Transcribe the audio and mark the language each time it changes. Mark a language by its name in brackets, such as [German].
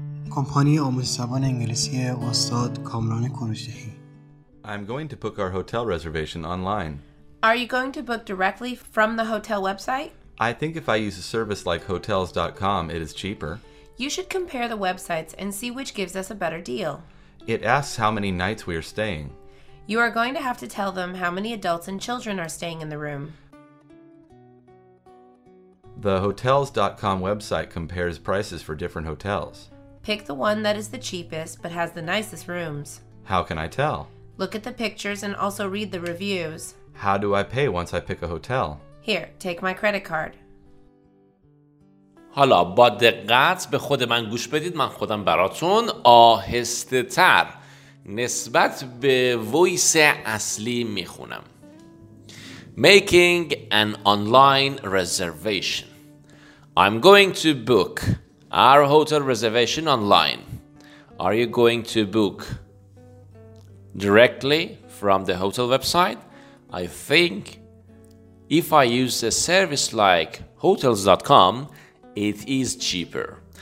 [Persian] کمپانی آموزش زبان انگلیسی استاد کامران کوروشی. [English] I'm going to book our hotel reservation online. Are you going to book directly from the hotel website? I think if I use a service like hotels.com, it is cheaper. You should compare the websites and see which gives us a better deal. It asks how many nights we are staying. You are going to have to tell them how many adults and children are staying in the room. The hotels.com website compares prices for different hotels. Pick the one that is the cheapest but has the nicest rooms. How can I tell? Look at the pictures and also read the reviews. How do I pay once I pick a hotel? Here, take my credit card. [Persian] حالا با دقت به خود من گوش بدید. من خودم براتون آهسته تر نسبت به ویس اصلی میخونم. [English] Making an online reservation. I'm going to book our hotel reservation online. Are you going to book directly from the hotel website? I think if I use a service like hotels.com, it is cheaper.